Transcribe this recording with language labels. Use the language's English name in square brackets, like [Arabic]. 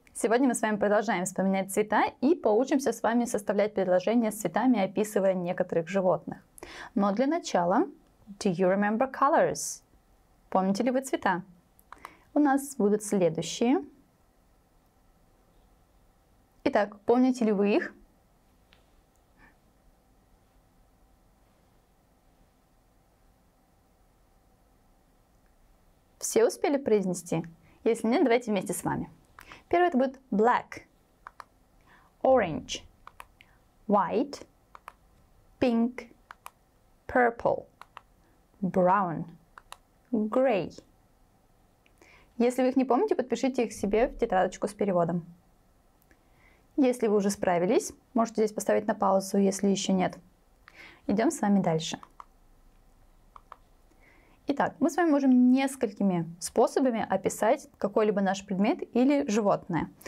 [Russian] Сегодня мы с вами продолжаем вспоминать цвета и поучимся с вами составлять предложения с цветами, описывая некоторых животных. Но для начала, [English] do you remember colors? [Russian] Помните ли вы цвета? У нас будут следующие. Итак, помните ли вы их? Все успели произнести? Если нет, давайте вместе с вами. Первый это будет [English] black, orange, white, pink, purple, brown, grey. [Russian] Если вы их не помните, подпишите их себе в тетрадочку с переводом. Если вы уже справились, можете здесь поставить на паузу, если еще нет. Идем с вами дальше. Итак, мы с вами можем несколькими способами описать какой-либо наш предмет или животное.